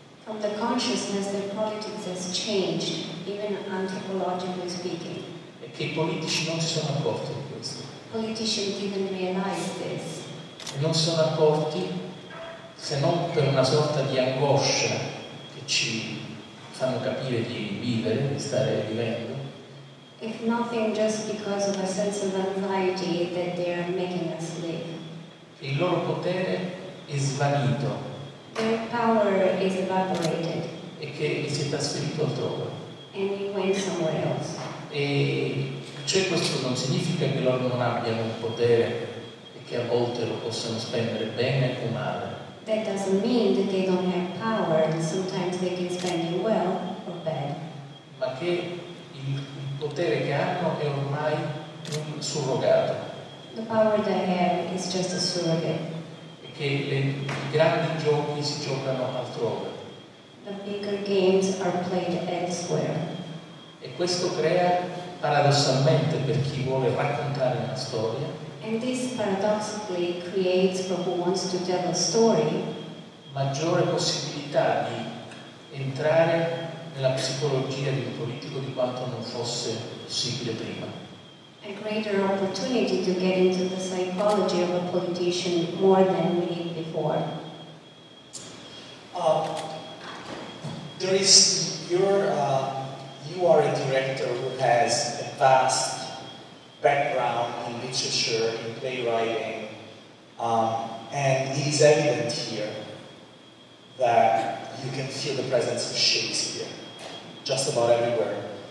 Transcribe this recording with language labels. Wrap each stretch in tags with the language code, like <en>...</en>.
<en>From the consciousness that politics has changed, even anthropologically speaking.</en> <it>E che i politici non si sono accorti di questo.</it> <en>Politicians didn't realize this.</en> <it>E non sono accorti se non per una sorta di angoscia che ci fanno capire di vivere, di stare vivendo.</it> <en>If nothing, just because of a sense of anxiety that they are making us live.</en> <it>Il loro potere è svanito.</it> <en>Their power is evaporated.</en> <it>E che si è trasferito altrove.</it> <en>And it went somewhere else.</en> <it>E cioè questo non significa che loro non abbiano un potere e che a volte lo possano spendere bene o male.</it> <en>That doesn't mean that they don't have power and sometimes they can spend it well or bad.</en> <it>Ma che il potere che hanno è ormai un surrogato.</it> <en>The power they have is just a surrogate.</en> <it>Che i grandi giochi si giocano altrove.</it> <en>The bigger games are played elsewhere.</en> <it>E questo crea, paradossalmente, per chi vuole raccontare una storia.</it> <en>And this paradoxically creates for who wants to tell a story.</en> <it>Maggiore possibilità di entrare nella psicologia di un politico di quanto non fosse possibile prima.</it> <en>A greater opportunity to get into the psychology of a politician more than we did before. There is your you are a director who has a vast background in literature, in playwriting, and it is evident here that you can feel the presence of Shakespeare just about everywhere.</en>